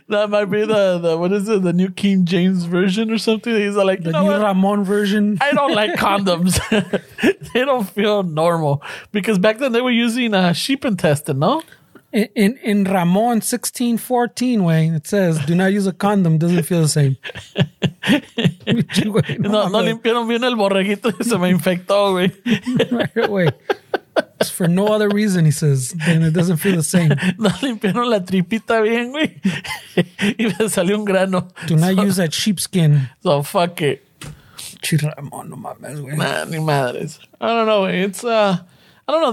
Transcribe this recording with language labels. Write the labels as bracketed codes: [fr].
[en] That might be the New King James Version or something. He's like, the New Ramon Version. I don't like condoms. They don't feel normal. Because back then they were using sheep intestine, no? In Ramon 16:14, way, it says, do not use a condom. Doesn't feel the same. [es] No limpiaron bien el borreguito y se me infectó, güey. [en] Right away. It's for no other reason, he says, and it doesn't feel the same. [es] No limpiaron la tripita bien, güey. Y me salió un grano. [en] Do not use that sheepskin. So fuck it. [es] Chiramón, no mames, güey. Ni madres. [en] I don't know, güey. I don't know.